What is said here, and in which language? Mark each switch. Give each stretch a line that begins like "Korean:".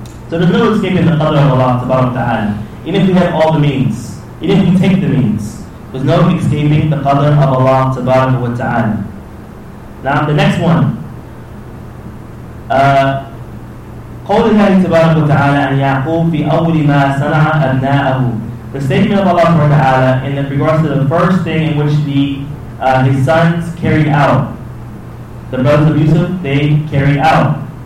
English: So there's no escaping the qadr of Allah subhanahu wa ta'ala. Even if you have all the means, even if you take the means, there's no escaping the qadr of Allah subhanahu wa ta'ala. Now, the next one.
Arabic: قول الله تبارك وتعالى عن يعقوب في أول ما صنع أبناءه.
English: The statement of Allah subhanahu wa ta'ala in regards to the first thing in which his sons carried out. The brothers of Yusuf, they carried out.